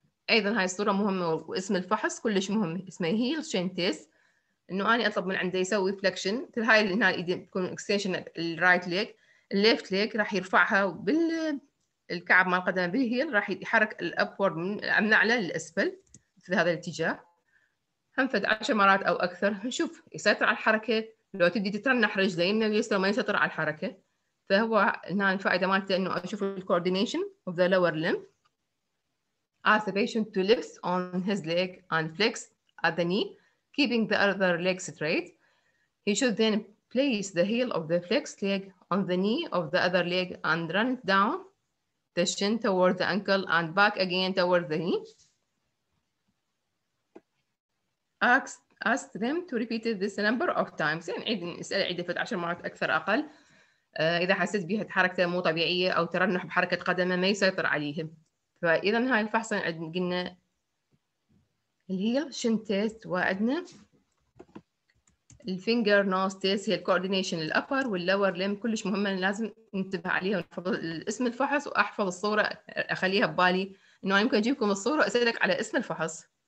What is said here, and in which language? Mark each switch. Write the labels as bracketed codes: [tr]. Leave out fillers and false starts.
[ar] ايضا هاي الصوره مهمه واسم الفحص كلش مهم، اسمه هيل شن تيست، انه انا اطلب من عنده يسوي فلكشن مثل هاي اللي هنا الايدين تكون اكستنشن الرايت ليج، الليفت ليج راح يرفعها بالكعب مال القدم بالهيل راح يحرك الابورد من الاعلى للاسفل في هذا الاتجاه. هنفد 10 مرات او اكثر، نشوف يسيطر على الحركه، لو تبدي تترنح رجله يمنى ويسرى ما يسيطر على الحركه. فهو هنا الفائده مالته انه اشوف الكوردينيشن اوف ذا لور لمب. [en] Ask the patient to lift on his leg and flex at the knee. Keeping the other leg straight, he should then place the heel of the flexed leg on the knee of the other leg and run down the shin toward the ankle and back again toward the knee. Ask them to repeat this a number of times. [ar] يعني عيد اسأل عيد فد 10 مرات أكثر أقل إذا حسيت بها حركته مو طبيعية أو ترنح بحركة قدمه ما يسيطر عليهم. فإذا هاي الفحص قلنا الهيل شن تيست، وعندنا الفينجر نوز تيست، هي الكوردينيشن الابر واللور لم كلش مهمه لازم ننتبه عليها، ونحفظ اسم الفحص واحفظ الصوره اخليها ببالي انه انا يمكن اجيبكم الصوره واسالك على اسم الفحص.